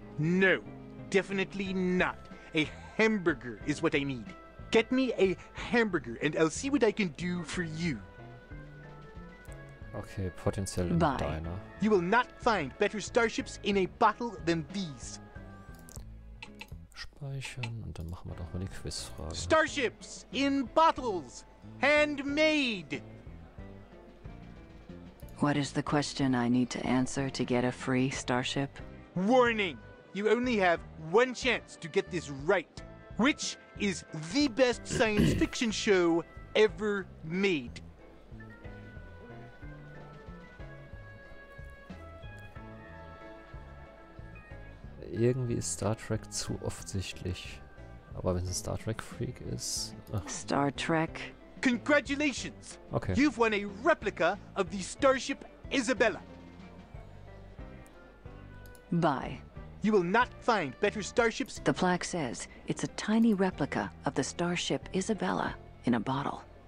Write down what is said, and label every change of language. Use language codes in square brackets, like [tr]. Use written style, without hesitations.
[en] No, definitely not. A hamburger is what I need. Get me a hamburger and I'll see what I can do for you. Okay, potential in the diner. You will not find better starships in a bottle than these. [de] Speichern und dann machen wir doch mal die Quizfrage. [en] Starships in bottles! Handmade! What is the question I need to answer to get a free starship? Warning! You only have one chance to get this right. Which is the best science fiction show ever made? [de] Irgendwie ist Star Trek zu offensichtlich. Aber wenn es ein Star Trek Freak ist. Ach. Star Trek. [en] Congratulations! Okay. You've won a replica of the Starship Isabella. Bye. You will not find better starships. The plaque says it's a tiny replica of the Starship Isabella in a bottle.